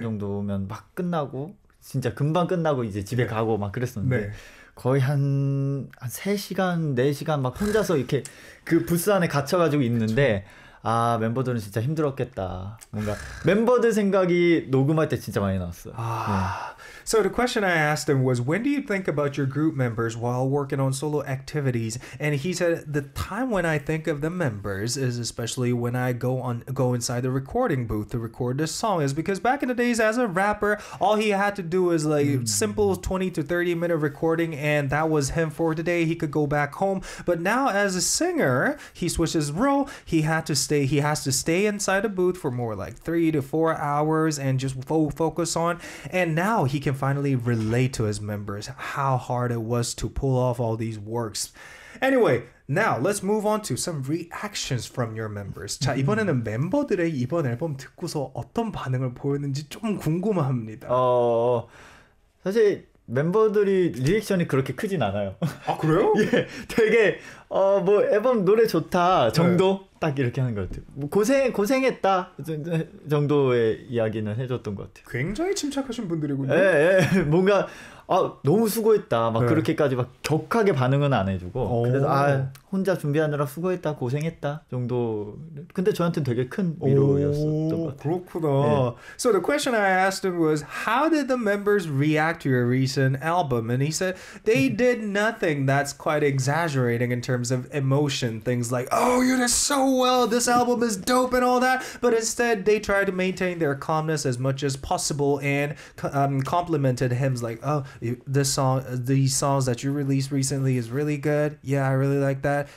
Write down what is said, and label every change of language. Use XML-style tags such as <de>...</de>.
<ko>정도면 막 끝나고 진짜 금방 끝나고 이제 집에 네. 가고 막 그랬었는데 네. 거의 한 3시간, 4시간 막 혼자서 이렇게 그 부스 안에 갇혀가지고 있는데 그쵸. 아, 멤버들은 진짜 힘들었겠다. 뭔가 멤버들 생각이 녹음할 때 진짜 많이 나왔어. 아, 네.</ko> <en>So the question I asked him was, when do you think about your group members while working on solo activities? And he said, the time when I think of the members is especially when I go inside the recording booth to record the song. Is because back in the days as a rapper, all he had to do was like simple 20 to 30 minute recording, and that was him for the day. He could go back home. But now as a singer, he switches role. He had to stay. He has to stay inside a booth for more like 3 to 4 hours and just focus on. And now he can finally relate to his members how hard it was to pull off all these works. Anyway, now let's move on to some reactions from your members.</en> <ko>자, 이번에는 멤버들의 이번 앨범 듣고서 어떤 반응을 보였는지 좀 궁금합니다. 사실 멤버들이 리액션이 그렇게 크진 않아요. 아, 그래요? 예. 되게 뭐 앨범 노래 좋다 정도. 네. 딱 이렇게 하는 것 같아요. 뭐 고생했다 정도의 이야기는 해줬던 것 같아요. 굉장히 침착하신 분들이군요. 예, 예. 뭔가 너무 수고했다 막. 네. 그렇게까지 막 격하게 반응은 안 해주고. 오. 그래서 혼자 준비하느라 수고했다 고생했다 정도. 근데 저한테는 되게 큰 위로였었던 것 같아요. 그렇구나. 예.</ko> <en>So the question I asked him was, how did the members react to your recent album? And he said they did nothing. That's quite exaggerating in terms of emotion. Things like, oh, you're just so well, this album is dope and all that, but instead they tried to maintain their calmness as much as possible and complimented him like, oh, this song, these songs that you released recently is really good. Yeah, I really like that.</en>